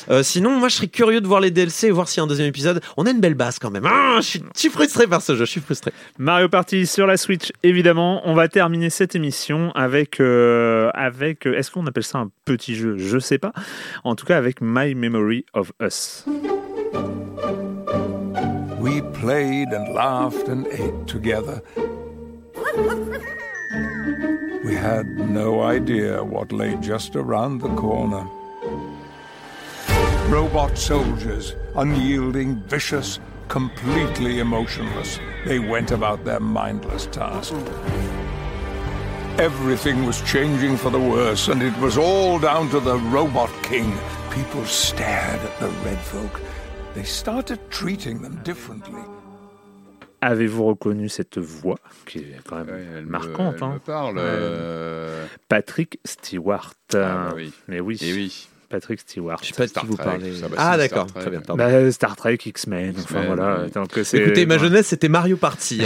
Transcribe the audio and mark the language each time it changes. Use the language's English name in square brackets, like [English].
[French] Sinon, moi, je serais curieux de voir les DLC et voir s'il y a un deuxième épisode. On a une belle base quand même. Ah, je suis frustré par ce jeu. Mario Party sur la Switch, évidemment. On va terminer cette émission avec est-ce qu'on appelle ça un petit jeu ? Je sais pas. En tout cas, avec My Memory of Us. [English] We played and laughed and ate together. We had no idea what lay just around the corner. Robot soldiers, unyielding, vicious. Completely emotionless, they went about their mindless task. Everything was changing for the worse, and it was all down to the Robot King. People stared at the red folk. They started treating them differently. [French] Avez-vous reconnu cette voix qui est quand même marquante, elle me parle, Patrick Stewart. Mais oui. Patrick Stewart. Je sais pas de qui vous parlez. D'accord, très bien. Star Trek, X-Men. Enfin voilà. Donc, c'est... Écoutez, ma jeunesse, c'était Mario Party.